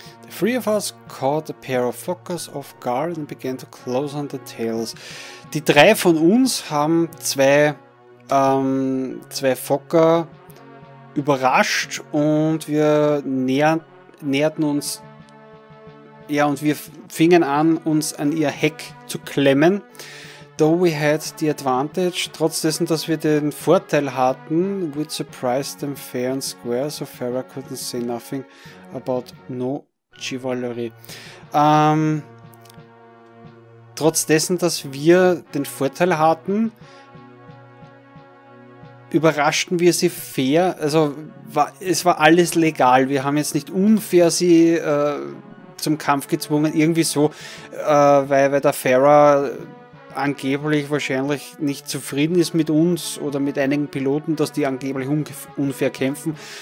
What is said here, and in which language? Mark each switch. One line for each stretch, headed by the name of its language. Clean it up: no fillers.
English: Three of us caught a pair of Fokkers off guard and began to close on the tails.
German: Die drei von uns haben zwei Fokker überrascht und wir näherten uns, ja, und wir fingen an, uns an ihr Heck zu klemmen.
English: Though we had the advantage,
German: trotz dessen, dass wir den Vorteil hatten,
English: we surprised them fair and square, so Farah couldn't say nothing about no Chivalry.
German: Trotz dessen, dass wir den Vorteil hatten, überraschten wir sie fair. Also es war alles legal. Wir haben jetzt nicht unfair sie zum Kampf gezwungen. Irgendwie so, weil der Farah angeblich wahrscheinlich nicht zufrieden ist mit uns oder mit einigen Piloten, dass die angeblich unfair kämpfen.